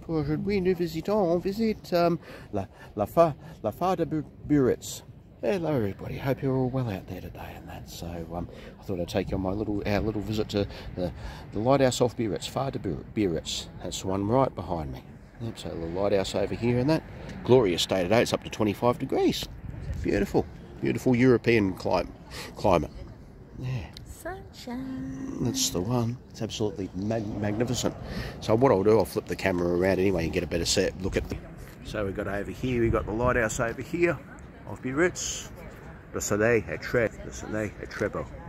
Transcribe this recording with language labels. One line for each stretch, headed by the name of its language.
French: Pour aujourd'hui, nous visitons, on visite la Phare de Biarritz.
English: Hello everybody, hope you're all well out there today and that. So I thought I'd take you on my little visit to the lighthouse off Biarritz, Phare de Biarritz. That's the one right behind me. Yep, so the lighthouse over here and that. Glorious day today, it's up to 25 degrees. Beautiful, beautiful European climate. Yeah. Sunshine. That's the one. It's absolutely magnificent. So what I'll do, I'll flip the camera around anyway and get a better set. Look at the... So we've got over here, we've got the lighthouse over here of Biarritz.
French: Le soleil est très, le soleil est très beau.